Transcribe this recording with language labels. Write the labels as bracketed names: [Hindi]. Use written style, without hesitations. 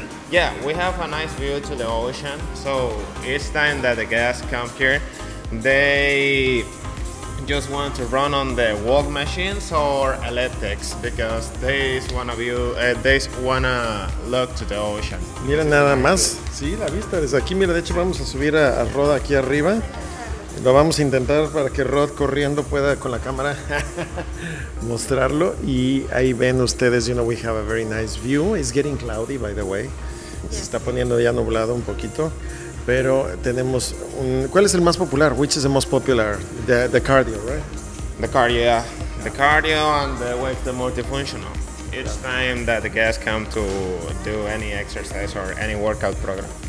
[English] Yeah, we have a nice view to the ocean. So each time that the guests come here, they just want to run on the walk machines or elliptics because they wanna look to the ocean. [Spanish] Miren nada más, sí, la vista desde aquí. Mira, de hecho vamos a subir a Rod aquí arriba. Lo vamos a intentar para que Rod corriendo pueda con la cámara mostrarlo y ahí ven ustedes. [English] You know, we have a very nice view. It's getting cloudy, by the way. [Spanish] Se está poniendo ya nublado un poquito. Pero tenemos un... ¿Cuál es el más popular? [English] Which is the most popular? The cardio, right? The cardio, yeah. The cardio and the weight, the multifunctional. Each time that the guests come to do any exercise or any workout program.